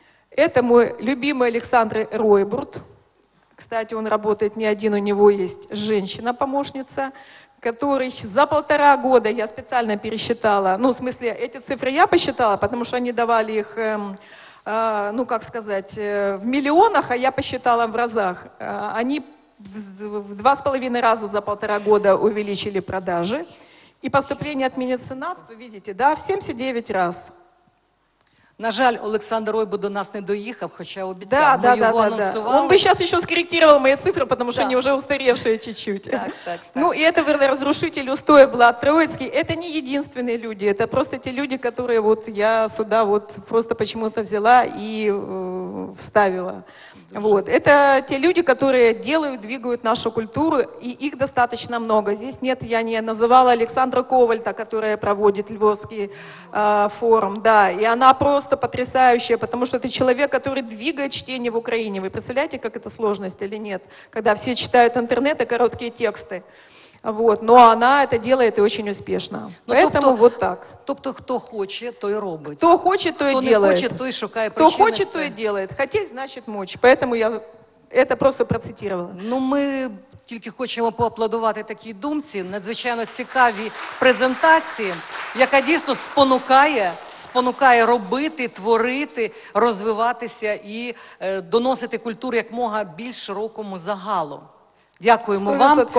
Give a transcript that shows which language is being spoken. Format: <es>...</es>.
<ru>Это мой любимый Александр Ройбурт. Кстати, он работает не один, у него есть женщина-помощница, который за 1,5 года, я специально пересчитала, ну, в смысле, эти цифры я посчитала, потому что они давали их... ну, как сказать, в миллионах, а я посчитала в разах, они в 2,5 раза за 1,5 года увеличили продажи. И поступление от меценатства, видите, да, в 79 раз.</ru> <uk>На жаль, Олександр Ройбу до нас не доїхав, хоча обіцяв, да, ми да, його да, анонсували. Да. Он би зараз ще скорректував мої цифри, тому що да. Вони вже</uk> <ru>устаревшие чуть-чуть.</ru> <uk>Так, так, так. Ну, і це розрушитель устоїв Влад Троїцький. Це не єдинственні люди, це просто ті люди, які вот я сюди вот просто почему-то взяла і вставила.</uk> <ru>Вот. Это те люди, которые делают, двигают нашу культуру, и их достаточно много. Здесь нет, я не называла Александра Ковальта, которая проводит Львовский форум. Да, и она просто потрясающая, потому что это человек, который двигает чтение в Украине. Вы представляете, как это сложность или нет, когда все читают интернет и короткие тексты. Вот. Но она это делает и очень успешно. Но поэтому вот так.</ru> <uk>Тобто, хто хоче, той робить. Хто хоче, той хто</uk> <ru>делает.</ru> <uk>Хто не хоче, той шукає причини. Хто хоче, той</uk> <ru>делает. Хотеть, значить, мочь. Поэтому я это просто процитировала.</ru> <uk>Ну, ми тільки хочемо поаплодувати такій думці, надзвичайно цікавій презентації, яка дійсно спонукає робити, творити, розвиватися і доносити культуру якомога більш широкому загалу. Дякуємо вам.</uk>